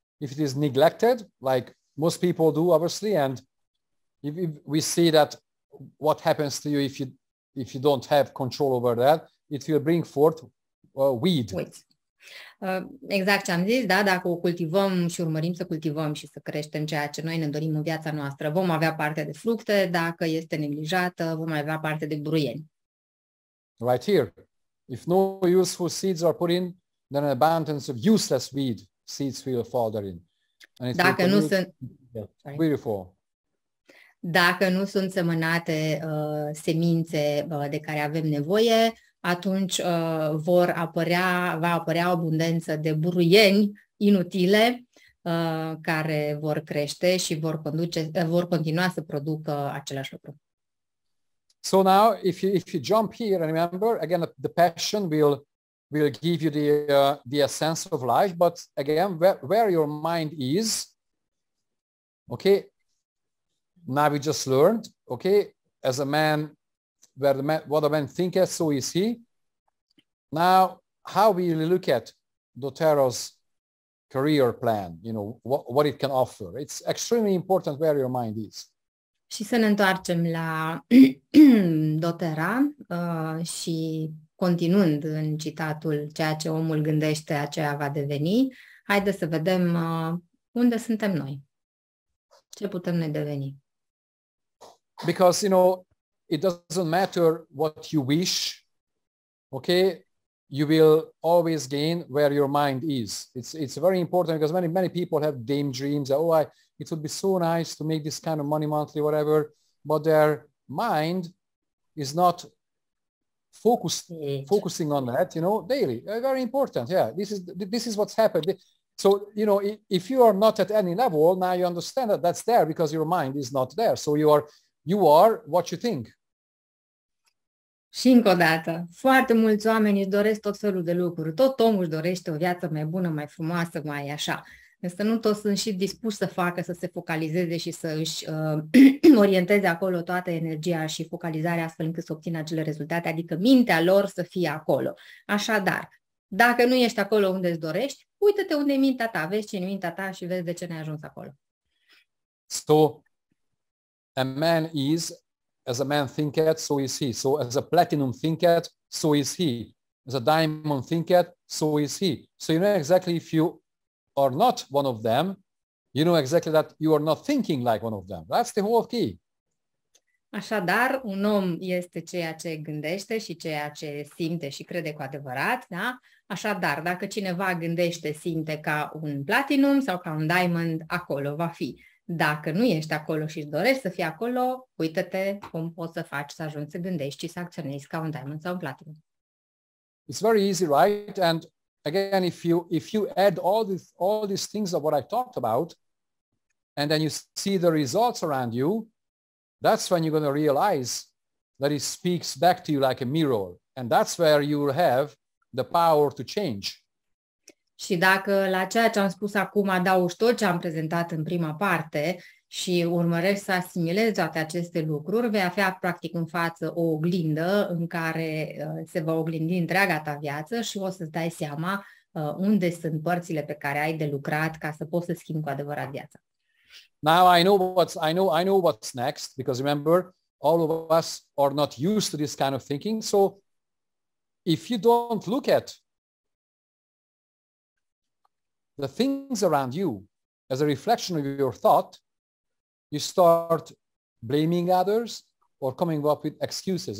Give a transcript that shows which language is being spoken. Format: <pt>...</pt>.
<en>If it is neglected, like most people do, obviously, and if we see that what happens to you if you don't have control over that, it will bring forth weed.</en> <ro>Exact ce am zis, da, dacă o cultivăm și urmărim să cultivăm și să creștem ceea ce noi ne dorim în viața noastră, vom avea parte de fructe, dacă este neglijată, vom avea parte de buruieni.</ro> <en>Right here. If no useful seeds are put in, then an abundance of useless weed seeds will fall therein. And it's</en> <ro>dacă nu sunt</ro> <en>beautiful.</en> <ro>Dacă nu sunt semănate semințe de care avem nevoie, atunci va apărea o abundență de buruieni inutile care vor crește și vor continua să producă același lucru.</ro> <en>So now if you jump here, and remember again, the passion will give you the essence of life, but again, where your mind is, okay, now we just learned, okay, as a man, what a man thinketh, so is he. Now, how we look at doTERRA's career plan, you know, what it can offer. It's extremely important where your mind is.</en> <ro>Și să ne întoarcem la doTERRA și continuând în citatul ceea ce omul gândește, aceea va deveni, haide să vedem unde suntem noi. Ce putem noi deveni?</ro> <en>Because, you know, it doesn't matter what you wish, okay? You will always gain where your mind is. It's very important, because many, many people have dame dreams that, it would be so nice to make this kind of money monthly, whatever, but their mind is not focusing on that, you know, daily. Very important. Yeah, this is what's happened. So, you know, if you are not at any level, now you understand that that's there because your mind is not there. So you are what you think.</en> <ro>Și încă o dată, foarte mulți oameni își doresc tot felul de lucruri. Tot omul își dorește o viață mai bună, mai frumoasă, mai așa. Însă nu toți sunt și dispuși să facă, să se focalizeze și să își orienteze acolo toată energia și focalizarea astfel încât să obțină acele rezultate, adică mintea lor să fie acolo. Așadar, dacă nu ești acolo unde îți dorești, uită-te unde e mintea ta, vezi ce e mintea ta și vezi de ce n-ai ajuns acolo.</ro> <en>So, a man is, as a man thinketh, so is he. So, as a platinum thinketh, so is he. As a diamond thinketh, so is he. So, you know exactly if you are not one of them, you know exactly that you are not thinking like one of them. That's the whole key.</en> <ro>Așadar, un om este ceea ce gândește și ceea ce simte și crede cu adevărat, da? Așadar, dacă cineva gândește, simte ca un platinum sau ca un diamond, acolo va fi. Dacă nu ești acolo și îți dorești să fii acolo, uită-te cum poți să faci să ajungi să gândești și să acționezi ca un diamond sau un platinum.</ro> <en>It's very easy, right? And again, if you add all these things of what I talked about, and then you see the results around you, that's when you're going to realize that it speaks back to you like a mirror. And that's where you will have the power to change.</en> <ro>Și dacă la ceea ce am spus acum adaug tot ce am prezentat în prima parte și urmăresc să asimilez toate aceste lucruri, vei avea practic în față o oglindă în care se va oglindi întreaga ta viață și o să-ți dai seama unde sunt părțile pe care ai de lucrat ca să poți să schimbi cu adevărat viața.</ro> <en>Now I know what's next, because remember, all of us are not used to this kind of thinking. So if you don't look at the things around you as a reflection of your thought, you start blaming others or coming up with excuses.</en>